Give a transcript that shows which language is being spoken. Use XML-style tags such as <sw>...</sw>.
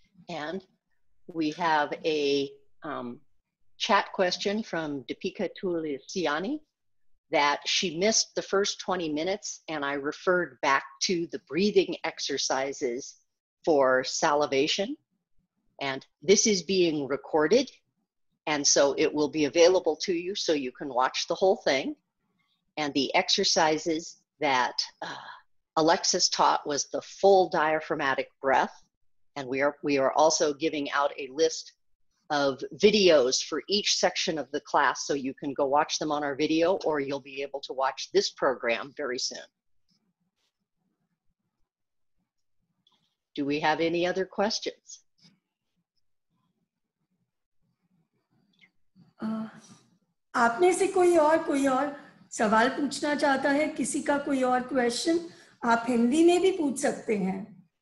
<en>And we have a chat question from Deepika Tulsiani that she missed the first 20 minutes and I referred back to the breathing exercises for salivation And this is being recorded, and so it will be available to you so you can watch the whole thing. And the exercises that Alexis taught was the full diaphragmatic breath, and we are also giving out a list of videos for each section of the class so you can go watch them on our video, or you'll be able to watch this program very soon. Do we have any other questions?</en> <hi>आपने से कोई और सवाल पूछना चाहता है, किसी का कोई और क्वेश्चन, आप हिंदी में भी पूछ सकते हैं।</hi>